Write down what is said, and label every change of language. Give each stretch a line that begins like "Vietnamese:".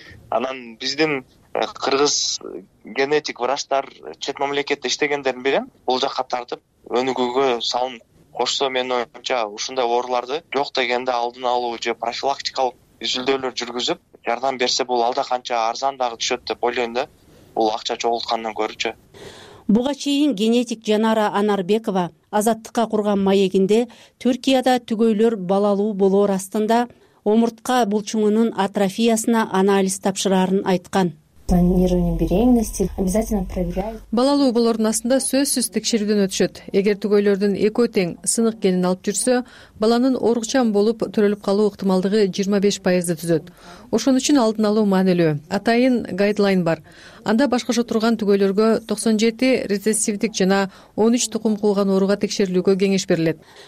Kyrgyz: Анан биздин кыргыз генетик врачтар чет мамлекетте иштегендердин бири бул жакка тартып өнүгүүгө салым кошсо менин оюмча ушундай ооруларды жок дегенде алдын алуу же профилактикалык изилдөөлөр жүргүзүп жардам берсе бул алда канча арзан дагы түшөт деп ойлойм да, бул акча чогултканынан көрүчү. Буга чейин генетик Жанара Анарбекова азаттыкка курган маегинде Түркияда түгөйлөр балалуу болоор астында омуртка булчуңунун атрофиясына анализ тапшыраарын айткан.
Russian: Планирование беременности обязательно проверяют.
Kyrgyz: Балалуу болоордун астында сөзсүз текшерүүдөн өтүшөт. Эгер түгөйлөрдүн эко тең сынык генин алып жүрсө, баланын оорукчан болуп төрөлүп калуу ыктымалдыгы 25% түзөт. Ошон үчүн алдын алуу маанилүү. Атайын гайдлайн бар. Анда башкача турган түгөйлөргө 97 рецессивдик жана 13 тукум кууган ооруга текшерилүүгө кеңеш берилет.